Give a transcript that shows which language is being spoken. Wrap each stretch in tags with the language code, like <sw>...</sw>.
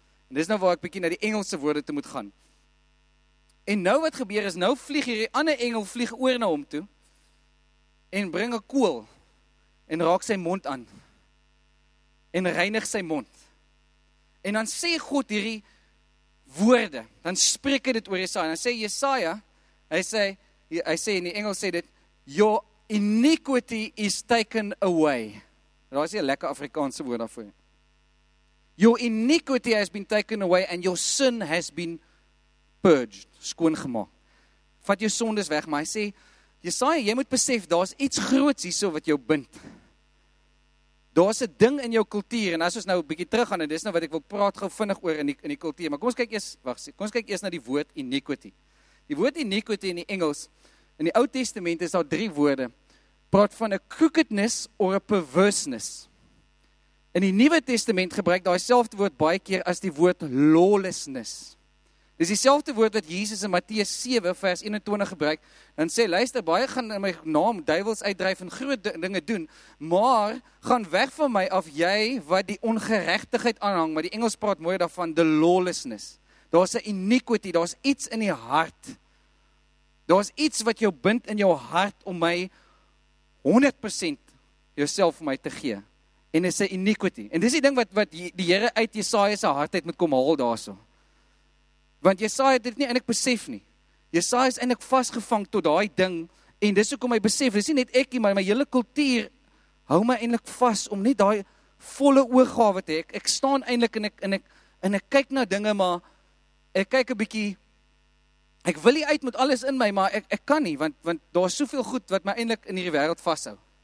<af>En dis nou waar ek bietjie na die Engelse woorde toe moet gaan. En nou wat gebeur is, nou vlieg hierdie ander engel vlieg oor na hom toe, en bring 'n kool, en raak sy mond aan, en reinig sy mond. En dan sê God hierdie woorde, dan spreek hy dit oor Jesaja, en dan sê Jesaja, hy sê in die Engels sê dit,</af> <en>your iniquity is taken away.</en> <af>Daar is hier 'n lekker Afrikaanse woord daarvoor.</af> <en>Your iniquity has been taken away and your sin has been purged,</en> <af>skoongemaak. Vat jou sondes weg, maar hy sê, Jesaja, jy moet besef, daar is iets groots hierso wat jou bind. Daar is 'n ding in jou kultuur, en as ons nou 'n bietjie terug gaan, en dis nou wat ek wil praat gou vinnig oor in die kultuur, maar kom ons kyk eers na die woord iniquity. Die woord iniquity in die Engels, in die Ou Testament is daar 3 woorde, praat van</af> <en>a crookedness or a perverseness.</en> <af>In die Nuwe Testament gebruik daai selfde woord baie keer as die woord lawlessness. Dis dieselfde woord wat Jesus in Matteus 7 vers 21 gebruik, en sê, luister, baie gaan in my naam duivels uitdryf en groot dinge doen, maar gaan weg van my af jy wat die ongeregtigheid aanhang, maar die Engels praat mooi daarvan, the lawlessness. Daar is 'n iniquity, daar is iets in die hart. Daar is iets wat jou bind in jou hart om my 100% jouself vir my te gee. En dis 'n iniquity. En dis die ding wat die Here uit Jesaja se hart uit moet kom haal daarso. Want Jesaja het dit nie eintlik besef nie. Jesaja is eintlik vasgevang tot daai ding en dis hoekom hy besef, dis nie net ek nie, maar my hele kultuur hou my eintlik vas om net daai volle oorgawe te hê. Ek staan eintlik en ek kyk na dinge, maar ek kyk 'n bietjie, ek wil uit met alles in my, maar ek kan nie, want daar is soveel goed wat my eintlik in hierdie wêreld vashou.</af>